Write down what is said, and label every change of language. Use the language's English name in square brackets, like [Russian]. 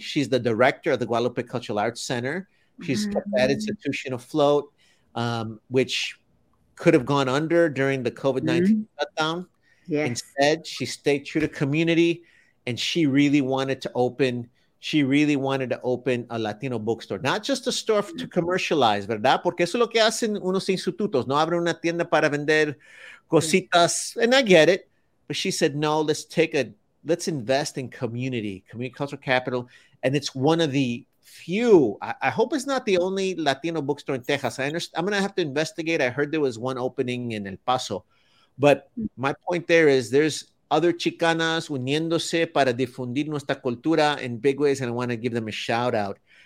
[English] She's the director of the Guadalupe Cultural Arts Center. She's kept that institution afloat, which could have gone under during the COVID-19 shutdown. Yes. Instead, she stayed true to community, and she really wanted to open. She really wanted to open a Latino bookstore, not just a store to commercialize, ¿verdad? [Spanish] Porque eso es lo que hacen unos institutos. No abren una tienda para vender cositas. [English] And I get it, but she said no. Let's invest in community cultural capital, and it's one of the few. I hope it's not the only Latino bookstore in Texas. I'm going to have to investigate. I heard there was one opening in El Paso. But my point there is there's other Chicanas [Spanish] uniéndose para difundir nuestra cultura [English] in big ways, and I want to give them a shout out.